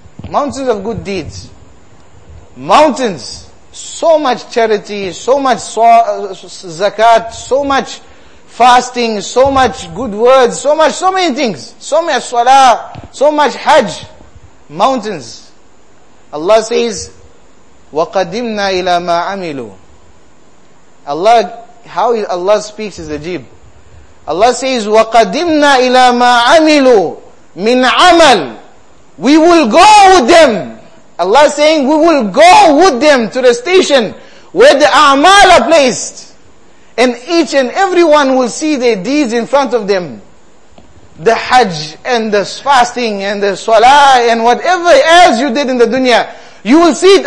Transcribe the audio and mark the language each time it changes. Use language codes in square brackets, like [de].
[en] Mountains of good deeds. Mountains. So much charity, so much zakat, so much fasting, so much good words, so much, so many things. So much salah, so much hajj. Mountains. [ar] Allah says, وَقَدِمْنَا إِلَى مَا عَمِلُوا. [en] Allah, how Allah speaks is ajeeb. [ar] Allah says, وَقَدِمْنَا إِلَى مَا عَمِلُوا مِنْ عَمَلٍ. [en] We will go with them. Allah saying, we will go with them to the station where the a'mal are placed. And each and everyone will see their deeds in front of them. The hajj and the fasting and the salah and whatever else you did in the dunya. You will see it.